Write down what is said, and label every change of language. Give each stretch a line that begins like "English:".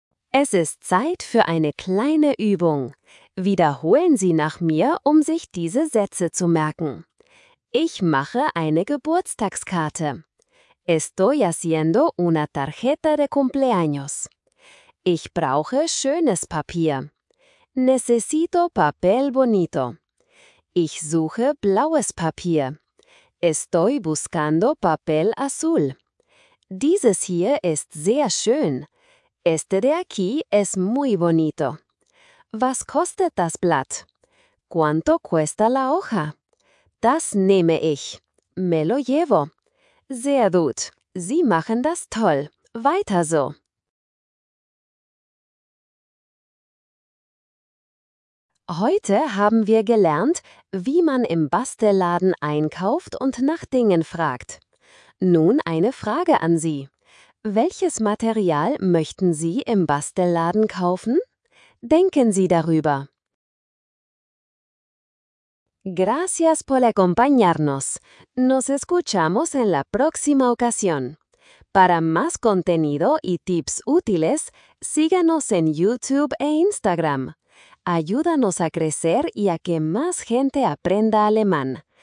German: Es ist Zeit für eine kleine Übung. Wiederholen Sie nach mir, um sich diese Sätze zu merken. Ich mache eine Geburtstagskarte.
Spanish: Estoy haciendo una tarjeta de cumpleaños.
German: Ich brauche schönes Papier.
Spanish: Necesito papel bonito.
German: Ich suche blaues Papier.
Spanish: Estoy buscando papel azul.
German: Dieses hier ist sehr schön.
Spanish: Este de aquí es muy bonito.
German: Was kostet das Blatt?
Spanish: ¿Cuánto cuesta la hoja?
German: Das nehme ich.
Spanish: Me lo llevo.
German: Sehr gut. Sie machen das toll. Weiter so. Heute haben wir gelernt, wie man im Bastelladen einkauft und nach Dingen fragt. Nun eine Frage an Sie. Welches Material möchten Sie im Bastelladen kaufen? Denken Sie darüber.
Spanish: Gracias por acompañarnos. Nos escuchamos en la próxima ocasión. Para más contenido y tips útiles, síganos en YouTube e Instagram. Ayúdanos a crecer y a que más gente aprenda alemán.